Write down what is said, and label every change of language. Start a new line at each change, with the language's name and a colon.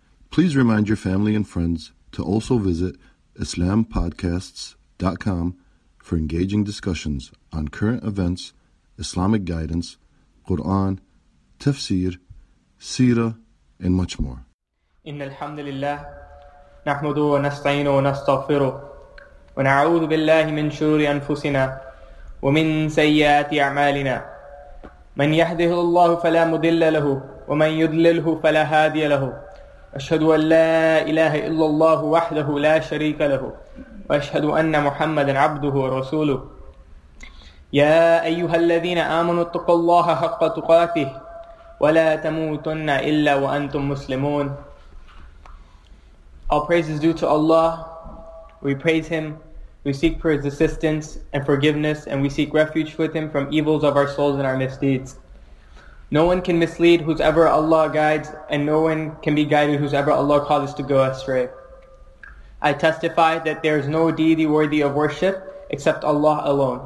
English: Please remind your family and friends to also visit IslamPodcasts.com for engaging discussions on current events, Islamic guidance, Quran, tafsir, seerah, and much more.
Arabic: Inna alhamdulillah. نحمده ونستعينه ونستغفره ونعوذ بالله من شرور أنفسنا ومن سيئات أعمالنا من يهده الله فلا مضل له ومن يضلله فلا هادي له أشهد أن لا إله إلا الله وحده لا شريك له وأشهد أن محمدا عبده ورسوله يا أيها الذين آمنوا اتقوا الله حق تقاته ولا تموتن إلا وأنتم مسلمون.
English: All praise is due to Allah. We praise Him. We seek for His assistance and forgiveness, and we seek refuge with Him from evils of our souls and our misdeeds. No one can mislead whosoever Allah guides, and no one can be guided whosoever Allah causes to go astray. I testify that there is no deity worthy of worship except Allah alone.